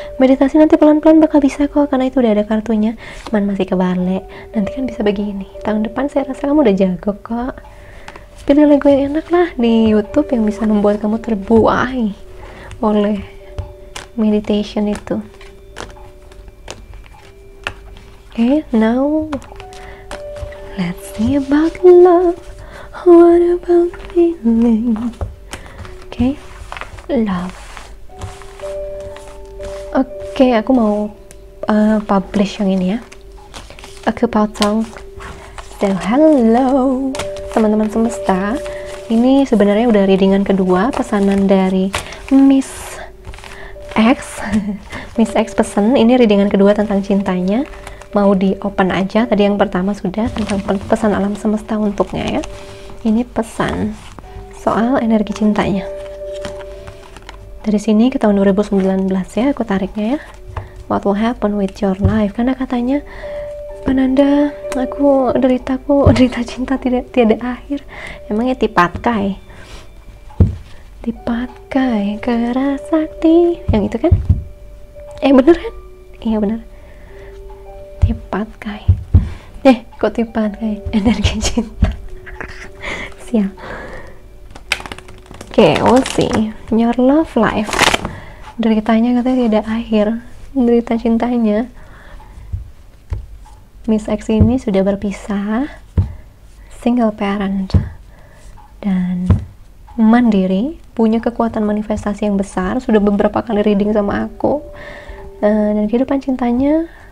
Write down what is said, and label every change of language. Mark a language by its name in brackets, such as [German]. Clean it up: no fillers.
[Indonesian] Meditasi nanti pelan-pelan bakal bisa kok karena itu udah ada kartunya. Cuman masih kebalik. Nanti kan bisa begini. Tahun depan saya rasa kamu udah jago kok. Pilih lagu yang enak lah di YouTube yang bisa membuat kamu terbuai oleh meditation itu. [English] Okay, now let's see about love. What about feeling? Okay, love. [Indonesian] Okay, aku mau publish yang ini ya. Aku potong. [English] So, hello, [Indonesian] teman-teman semesta. Ini sebenarnya udah readingan kedua pesanan dari Miss X. Miss X pesan. Ini readingan kedua tentang cintanya. Mau di open aja, tadi yang pertama sudah tentang pesan alam semesta untuknya ya. Ini pesan soal energi cintanya. Dari sini ke tahun 2019 ya, aku tariknya ya. [English] What will happen with your life? [Indonesian] Karena katanya penanda aku deritaku, derita cinta tiada akhir. Emangnya tipatkai? Tipatkai kerasakti. Yang itu kan? Eh bener kan? Iya bener. Tipat kai, kok tipat kai energi cinta. Siap. [English] Oke, okay, we'll see your love life. [Indonesian] Deritanya katanya tidak akhir. Derita cintanya, Miss X ini sudah berpisah, single parent dan mandiri, punya kekuatan manifestasi yang besar. Sudah beberapa kali reading sama aku dan kehidupan cintanya.